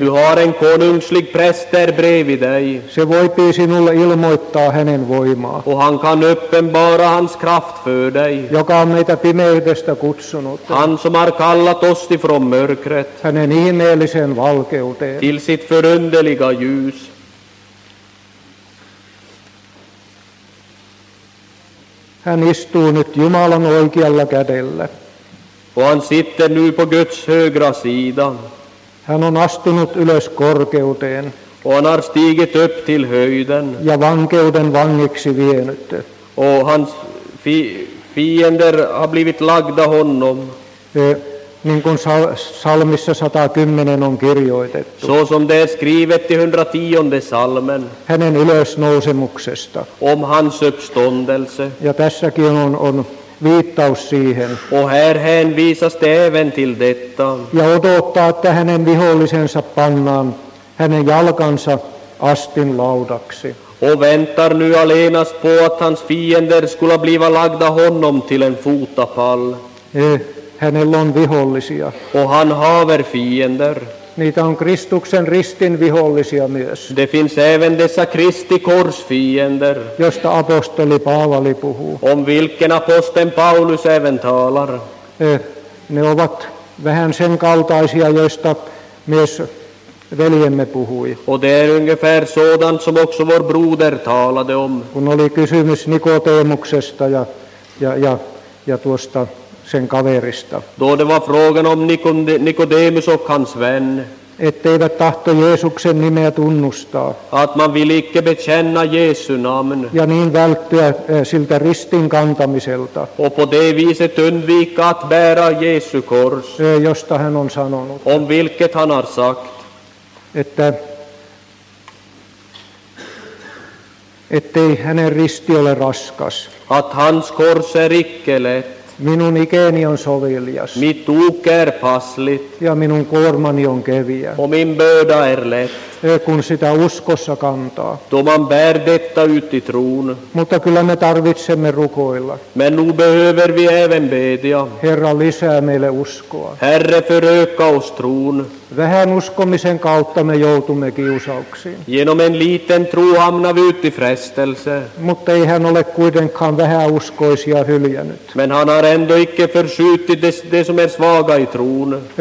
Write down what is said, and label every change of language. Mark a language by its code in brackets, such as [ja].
[sv] Du har en konungslig präst där bredvid dig. [fi] Se voipii sinulle ilmoittaa hänen voimaa. [sv] Och han kan uppenbara hans kraft för dig. [fi] Joka on meitä pimeydestä kutsunut. [sv] Som har kallat oss ifrån mörkret [fi] hänen ihmeelliseen valkeuteen [sv] till sitt förunderliga ljus. [fi] Hän istuu nyt Jumalan oikealla kädellä. [sv] Och han sitter nu på Guds högra sida. [fi] Hän on astunut ylös korkeuteen. [sv] Och han har stigit upp till höjden. [fi] Ja vankeuden vangiksi vienyt. [sv] Och hans fiender har blivit lagda honom. [fi] Niin kuin salmissa 110 on kirjoitettu. [sv] Så som det är skrivet i 110:e salmen. [fi] Hänen ylösnousemuksesta. [sv] Om hans uppståndelse. [fi] Ja tässäkin on viittaus siihen. [sv] Och här hänvisas det även till detta. [fi] Ja odottaa, että hänen vihollisensa pannaan hänen jalkansa astin laudaksi. [sv] Och väntar nu allenast på att hans fiender skulle bliva lagda honom till en fotapall. [fi] Hänellä on vihollisia. [sv] Och han haver fiender. [fi] Niitä on Kristuksen ristin vihollisia myös. [sv] Det finns även dessa Kristi korsfiender. [fi] Josta apostoli Paavali puhuu. [sv] Om vilken aposteln Paulus även talar. [fi] Ne ovat vähän sen kaltaisia, joista myös veljemme puhui. [sv] Och det är ungefär sådant som också vår broder talade om. [fi] Kun oli kysymys Nikoteemuksesta ja tuosta sen kaverista. [sv] Då det var frågan om Nikodemus och hans vän. [fi] Etteivät tahto Jeesuksen nimeä tunnustaa. [sv] Att man vill icke bekänna Jesu namn. [fi] Ja niin välttyä siltä ristin kantamiselta. [sv] Och på det viset undvika att bära Jesu kors. [fi] Josta hän on sanonut. [sv] Om vilket han har sagt. [fi] Ettei hänen risti ole raskas. [sv] Att hans kors är icke lätt. [fi] Minun ikeni on soviljas. [sv] Mitt oker passligt. [fi] Ja minun kuormani on keviä. [sv] Och min börda är lätt. [fi] Kun sitä uskossa kantaa. [sv] Då man bär detta ut i tron. [fi] Mutta kyllä me tarvitsemme rukoilla. [sv] Men nu behöver vi även bedja. [fi] Herra, lisää meille uskoa. [sv] Herre, föröka oss tron. [fi] Vähän uskomisen kautta me joutumme kiusauksiin. [sv] Genom en liten tro hamnar vi ut i frestelse. [fi] Mutta ei hän ole kuitenkaan vähäuskoisia hyljännyt. [sv] Men han har ändå icke försytti det som är svaga i tron.